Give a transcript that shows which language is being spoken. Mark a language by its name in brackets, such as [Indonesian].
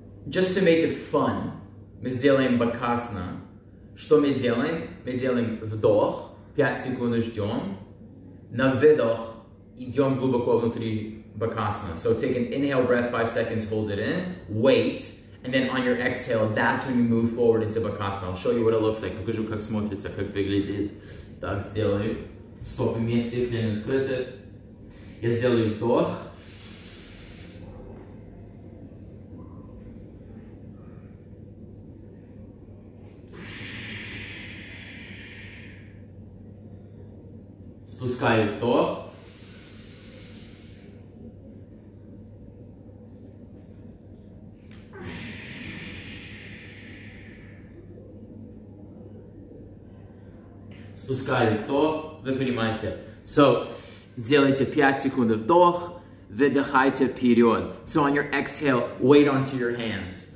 [English] Just to make it fun, [Russian] мы сделаем бакасна. Что мы делаем? Мы делаем вдох, 5 секунд ждем. На выдох идем глубоко внутри бакасна. [English] So take an inhale breath, 5 seconds, hold it in, wait, and then on your exhale, that's when you move forward into бакасна. I'll show you what it looks like. [Russian] Покажу, как смотрится, как выглядит. Так, сделаю. Стопы вместе, плен открыты. Я сделаю вдох. Спускаю вдох. Спускаю вдох. Вы понимаете. So, сделайте 5 секунд вдох. Видихайте вперед. [English] So on your exhale, weight onto your hands.